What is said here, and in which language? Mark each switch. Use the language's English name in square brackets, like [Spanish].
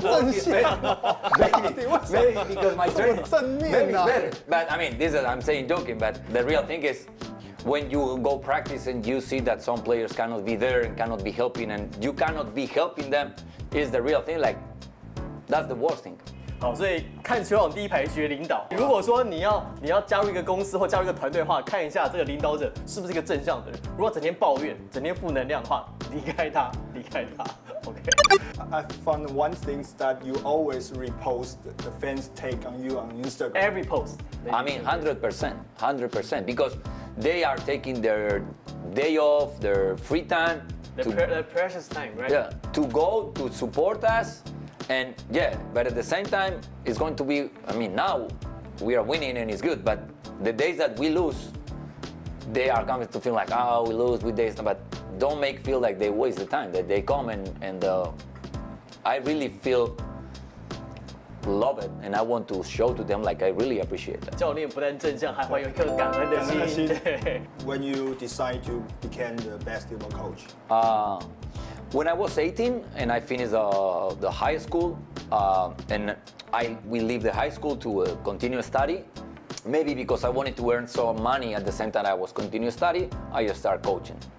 [English] to work, maybe because my trainer is better. But I mean, this is, I'm saying joking, but the real thing is when you go practice and you see that some players cannot be there and cannot be helping and you cannot be helping them, is the real thing, like, that's the worst thing. [Chinese] 好，所以看球场第一排学领导。如果说你要加入一个公司或加入一个团队的话，看一下这个领导者是不是一个正向的人。如果整天抱怨、整天负能量的话，离开他。 OK。 [English] I found one thing that you always repost the fans take on you on Instagram. Every post. I mean 100%, because they are taking their day off, their free time. Their precious time, right? Yeah. To go to support us. And yeah, but at the same time, it's going to be, I mean, now we are winning and it's good, but the days that we lose, they are coming to feel like, oh, we lose with days, but don't make feel like they waste the time, that they come and I really feel love it, and I want to show to them like I really appreciate that. [Chinese] 教练不但正向，还怀有一颗感恩的心。 [English] When you decide to become the basketball coach? When I was 18 and I finished the high school, and we leave the high school to continue study, maybe because I wanted to earn some money at the same time I was continue study, I just start coaching.